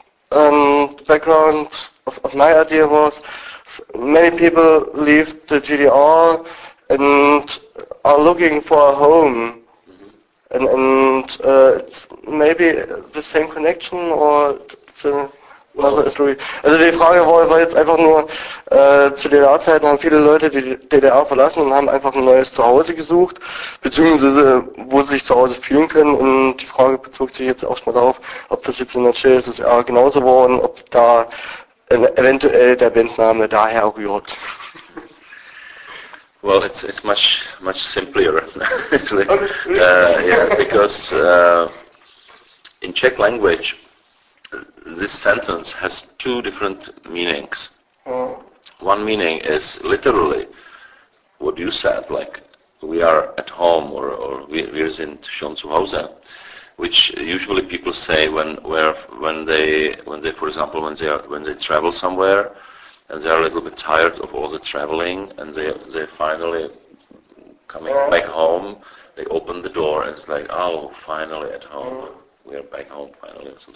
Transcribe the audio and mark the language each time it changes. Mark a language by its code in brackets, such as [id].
[en] The background of my idea was many people leave the GDR and are looking for a home. Mm-hmm. And it's maybe the same connection or another story. [de] Also die Frage war jetzt einfach nur, zu DDR-Zeiten haben viele Leute die DDR verlassen und haben einfach ein neues Zuhause gesucht, beziehungsweise wo sie sich zu Hause fühlen können. Und die Frage bezog sich jetzt auch schon mal darauf, ob das jetzt in der GSSR genauso war und ob da eventuell der Bandname daher rührt. [en] Well, it's much much simpler actually, because in Czech language this sentence has two different meanings. Oh. One meaning is literally what you said, like we are at home or [de] wir sind schon zu Hause, [en] which usually people say when they travel somewhere and they are a little bit tired of all the traveling and they finally coming back home, they open the door and it's like, oh, finally at home, we are back home finally.